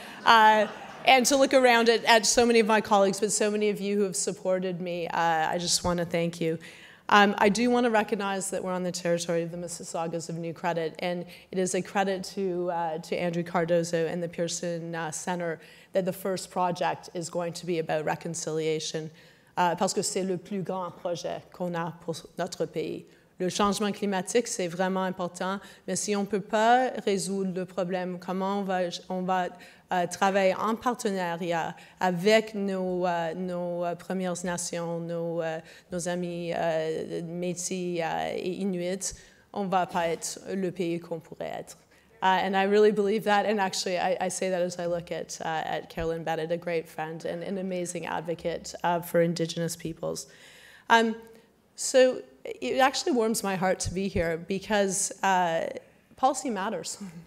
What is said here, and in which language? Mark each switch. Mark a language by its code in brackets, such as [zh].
[en] And to look around at so many of my colleagues, but so many of you who have supported me, I just want to thank you. I do want to recognize that we're on the territory of the Mississaugas of New Credit, and it is a credit to Andrew Cardozo and the Pearson Center that the first project is going to be about reconciliation. [fr] Parce que c'est le plus grand projet qu'on a pour notre pays. Le changement climatique, c'est vraiment important, mais si on ne peut pas résoudre le problème, comment on va travailler en partenariat avec nos Premières Nations, nos amis Métis et Inuits, on ne va pas être le pays qu'on pourrait être. [en] And I really believe that, and actually I say that as I look at Carolyn Bennett, a great friend and an amazing advocate for Indigenous peoples. So it actually warms my heart to be here because policy matters.